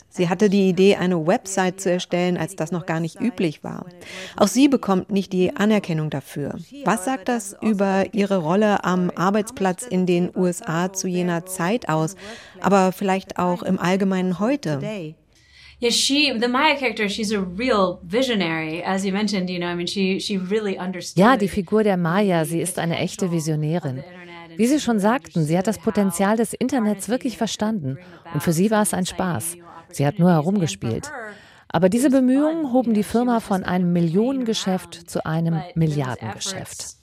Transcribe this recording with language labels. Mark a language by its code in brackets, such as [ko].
[de] Sie hatte die Idee, eine Website zu erstellen, als das noch gar nicht üblich war. Auch sie bekommt nicht die Anerkennung dafür. Was sagt das über ihre Rolle am Arbeitsplatz in den USA zu jener Zeit aus, aber vielleicht auch im Allgemeinen heute? [en] Yes, yeah, the Maya character, she's a real visionary, as you mentioned, you know, I mean, she really understood. [de] Ja, die Figur der Maya, sie ist eine echte Visionärin. Wie Sie schon sagten, sie hat das Potenzial des Internets wirklich verstanden und für sie war es ein Spaß. Sie hat nur herumgespielt. Aber diese Bemühungen hoben die Firma von einem Millionengeschäft zu einem Milliardengeschäft.